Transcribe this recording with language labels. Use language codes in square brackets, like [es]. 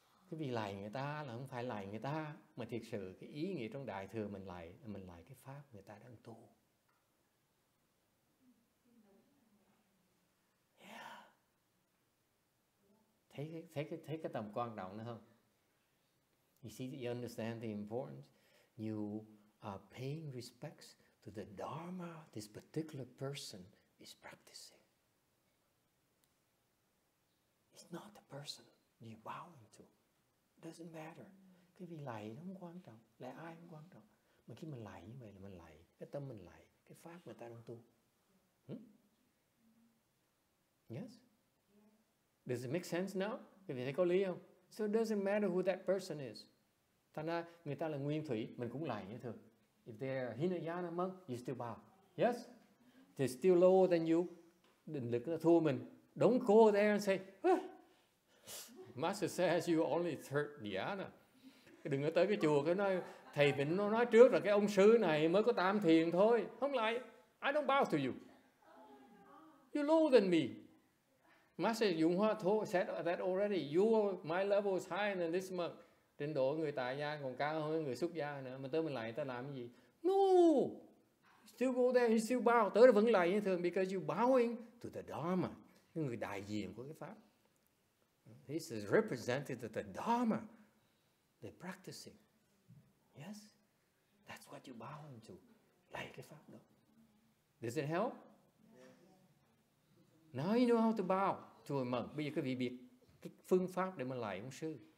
[vi] Cái vì lại người ta là không phải lại người ta, mà thiệt sự cái ý nghĩa trong đại thừa mình lại cái pháp người ta đang tu. [en] Yeah. [vi] Thấy cái tầm quan trọng đó không? [en] You see, you understand the importance. You are paying respects to the Dharma this particular person is practicing. It's not the person you bow into. Doesn't matter. [vi] Cái vị lạy nó không quan trọng. Lạy ai không quan trọng. Mà khi mình lạy như vậy là mình lạy. Cái tâm mình lạy. Cái pháp người ta đang tu. [en] Yes? Does it make sense now? [vi] Cái vị thấy có lý không? [en] So it doesn't matter who that person is. [vi] Thành ra người ta là nguyên thủy. Mình cũng lạy như thường. [en] If they are Hinayana monk, you still bow. Yes? They're still lower than you. [vi] Định lực nó thua mình. [en] Don't go there and say, Master says you only third dhyana. [vi] Đừng có tới cái chùa cái nói thầy mình nói trước là cái ông sư này mới có tam thiền thôi. Không lại, [en] I don't bow to you. You're lower than me. Master YongHua said that already. My level is higher than this monk. [vi] Trình độ người tại gia còn cao hơn người xuất gia nữa. Mà tới mình lại, ta làm cái gì? [en] No. Still go there, you still bow. [vi] Tới vẫn lại như thường, [en] because you're bowing to the Dharma. [vi] Người đại diện của cái pháp. [en] This is represented to the Dharma. They're practicing. Yes? That's what you bow into. [vi] Lạy cái pháp đó. [en] Does it help? Yeah. Now you know how to bow to a monk. [vi] Bây giờ quý vị biết cái phương pháp để mà lạy ông sư.